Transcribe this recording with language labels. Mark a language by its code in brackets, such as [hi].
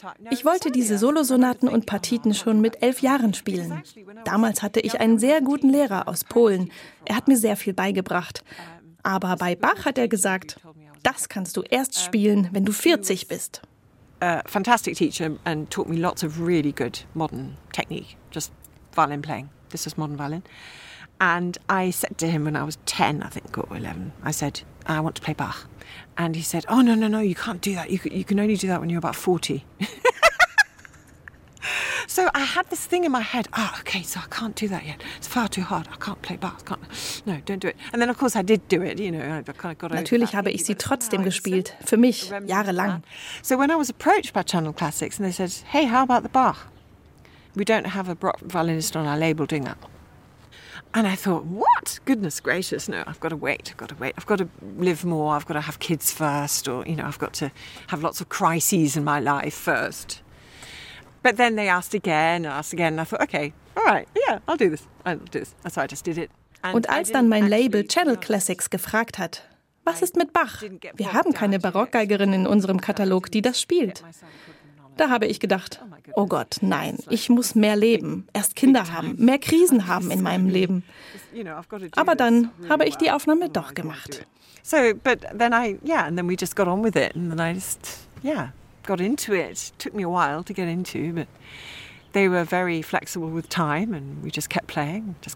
[de] Ich wollte diese Solosonaten und Partiten schon mit 11 Jahren spielen. Damals hatte ich einen sehr guten Lehrer aus Polen. Er hat mir sehr viel beigebracht. Aber bei Bach hat er gesagt, das kannst du erst spielen, wenn du 40 bist. [en] A fantastic teacher and taught me lots of really good modern technique, just violin playing. This is modern violin. And I said to him when I was 10, I think, or 11, I said, I want to play Bach. And he said, oh, no, you can't do that. You can only do that when you're about 40. So I had this thing in my head, okay, so I can't do that yet. It's far too hard. I can't play Bach. No, don't do it. And then, of course, I did do it, you know. [de] Natürlich habe ich sie trotzdem gespielt, für mich, jahrelang. [en] So when I was approached by Channel Classics and they said, hey, how about the Bach? We don't have a Bach violinist on our label doing that. And I thought, what? Goodness gracious, no, I've got to wait. I've got to live more. I've got to have kids first, or, you know, I've got to have lots of crises in my life first. But then they asked again and asked again. And I thought, okay, all right, yeah, I'll do this. And so I just did it. [de] Und als dann mein Label Channel Classics gefragt hat, was ist mit Bach? Wir haben keine Barockgeigerin in unserem Katalog, die das spielt. Da habe ich gedacht, oh Gott, nein, ich muss mehr leben, erst Kinder haben, mehr Krisen haben in meinem Leben. Aber dann habe ich die Aufnahme doch gemacht. [en] So, but then I, yeah, and then we just got on with it, and then I just, yeah, got into it. Took me a while to get into, but they were very flexible with time, and we just kept playing.